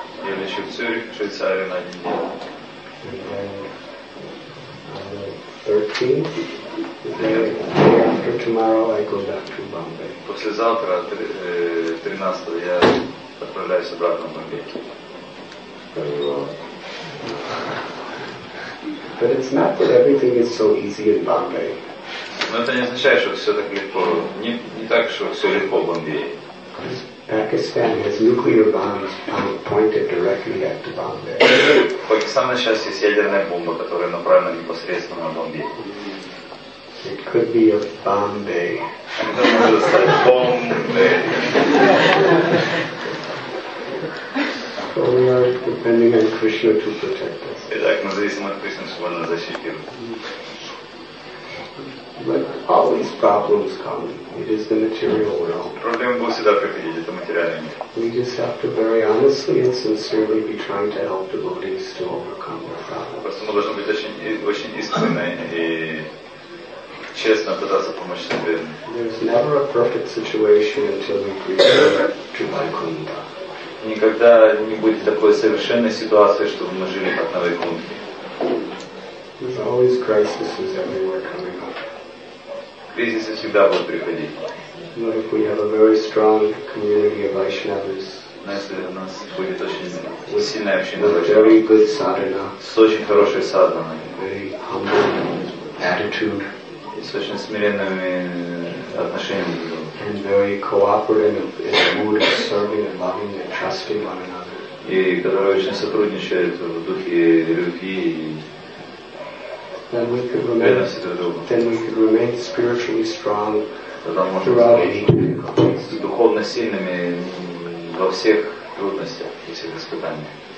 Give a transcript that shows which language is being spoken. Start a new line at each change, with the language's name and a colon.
Russian: Я лечу в Цюрих, Швейцарию на один день.
English: And then on the 13th, the day after tomorrow, I go back to Bombay.
Russian: Послезавтра, 13-го, я отправляюсь обратно в Бомбей.
English: But it's not that everything is so easy in Bombay.
Russian: Но это не означает, что все так легко. Не так, что все легко в Бомбее.
English: Pakistan has nuclear bombs pointed directly at the Bombay.
Russian: Pakistan сейчас есть ядерная бомба, которая направлена непосредственно на Бомбей.
English: It could be a Bombay. Bombay. Or depending on Krishna to protect us.
Russian: Итак, мы зависим от Кришны, чтобы она защитила.
English: But all these problems come. It is the material world.
Russian: Проблемы будут всегда приходить, это материальный мир.
English: We just have to very honestly and sincerely be trying to help devotees to overcome their problems.
Russian: Просто мы должны быть очень искренне и честно пытаться помочь себе.
English: There's never a perfect situation until we reach to Vaikuntha.
Russian: Никогда не будет такой совершенной ситуации, чтобы мы жили под Вайкунтхой.
English: There's always crises everywhere coming up.
Russian: Кризисы всегда будут приходить.
English: Но if we have a very strong community of Vaishnavas,
Russian: если у нас будет очень сильная община
English: Vaishnavas,
Russian: с очень хорошей садханой,
English: very humble attitude,
Russian: и с очень смиренными отношениями,
English: and very cooperative in the mood of serving and loving and trusting one another,
Russian: и которые очень сотрудничают в духе любви и
English: then we could remain spiritually strong throughout any difficulties.
Russian: Духовно сильными во всех трудностях и всех испытаниях.